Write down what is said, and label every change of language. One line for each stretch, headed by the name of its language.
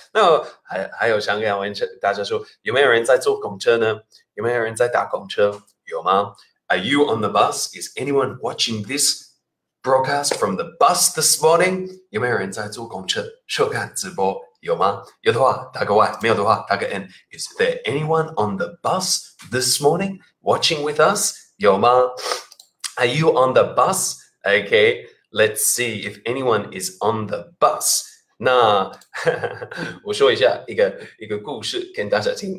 Chinese: No, 还有想要问大家说，有没有人在坐公车呢？有没有人在搭公车？有吗？
English: Are you on the bus? Is anyone watching this broadcast from the bus this morning?
Chinese: 有没有人在坐公车收看直播？有吗？有的话打个 Y， 没有的话打个 N。
English: Is there anyone on the bus this morning watching with us?
Chinese: 有吗？
English: Are you on the bus? Okay, let's see if anyone is on the bus.
Chinese: 那我说一下一个故事跟大家听。